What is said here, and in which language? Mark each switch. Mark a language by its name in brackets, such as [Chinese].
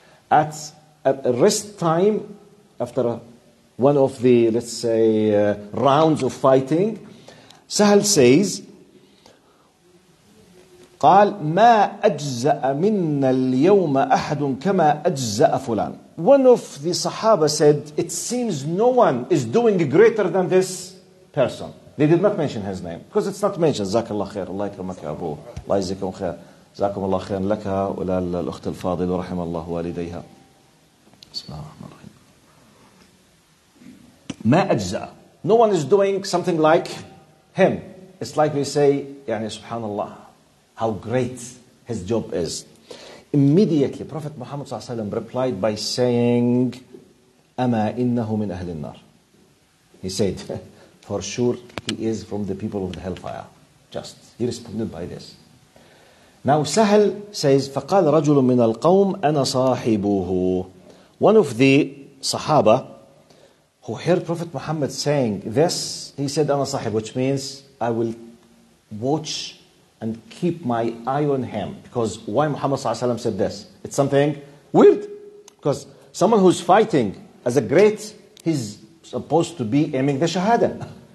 [English] At rest time, after one of the, let's say, rounds of fighting, Sahal says, قال ما أجزأ منا اليوم أحد كما أجزأ فلان. One of the Sahaba said, it seems no one is doing greater than this person. They did not mention his name because it's not mentioned. [Arabic] زاك الله خير. الله يكرمك يا أبو. الله يجزيكم خير. جزاكم الله خيرا لك وللأخت الفاضل ورحم الله والديها. بسم الله الرحمن الرحيم. [English] ما أجزاء. No one is doing something like him. It's like we say, يعني سبحان الله, how great his job is. Immediately, Prophet Muhammad صلى الله عليه وسلم replied by saying, أما إنه من أهل النار. He said, for sure he is from the people of the hellfire. Just, he responded by this. Now Sahal says, فقال رجل من القوم أنا صاحبه. One of the Sahaba who heard Prophet Muhammad saying this, he said, أنا صاحب, which means I will watch and keep my eye on him. Because why Muhammad صلى الله عليه وسلم said this? It's something weird. Because someone who's fighting as a great, he's supposed to be aiming the Shahada.